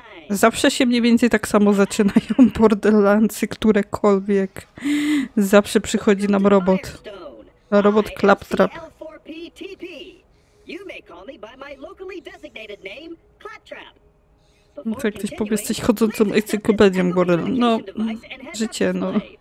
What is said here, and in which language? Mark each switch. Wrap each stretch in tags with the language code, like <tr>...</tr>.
<pl>Zawsze się mniej więcej tak samo zaczynają Borderlandsy, którekolwiek. Zawsze przychodzi nam robot. Robot Claptrap. L4PTP.</pl> <en>You may call me by my locally designated name, Claptrap.</en> <pl>Co ktoś powie, jesteś chodzącą encyklopedią Borderlandsów. No, życie, no.</pl>